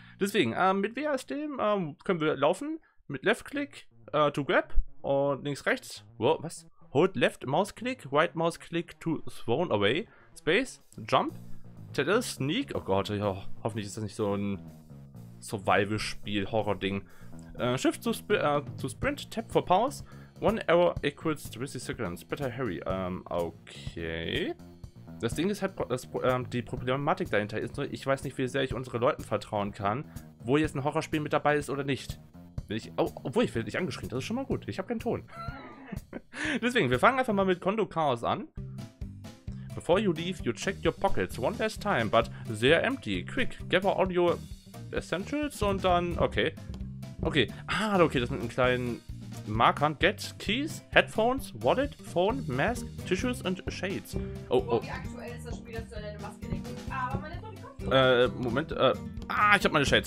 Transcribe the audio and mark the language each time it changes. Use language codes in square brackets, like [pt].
[de] Deswegen, mit WASD können wir laufen, mit Left-Click, [en] to grab [de] und links-rechts, was? [en] Hold Left-Mouse-Click, Right-Mouse-Click to thrown away, Space, Jump, Tether, Sneak, [de] oh Gott, ja, hoffentlich ist das nicht so ein Survival-Spiel-Horror-Ding. [en] Shift to Sprint, Tap for Pause, One Arrow equals 30 Seconds, Better Hurry, okay. [de] Das Ding ist halt, die Problematik dahinter ist, ich weiß nicht, wie sehr ich unsere Leuten vertrauen kann, wo jetzt ein Horrorspiel mit dabei ist oder nicht. Ich werde nicht angeschrien, das ist schon mal gut, ich habe keinen Ton. Deswegen, wir fangen einfach mal mit Condo Chaos an. [en] Before you leave, you check your pockets one last time, but they're empty. Quick, gather all your essentials [de] und dann, [en] okay. [de] Okay, das mit einem kleinen Markern. [en] Get Keys, Headphones, Wallet, Phone, Mask, Tissues and Shades. Oh. [de] Wie aktuell ist das Spiel, dass du deine Maske legst? Aber meine Sonne kommt. Ich hab meine Shades.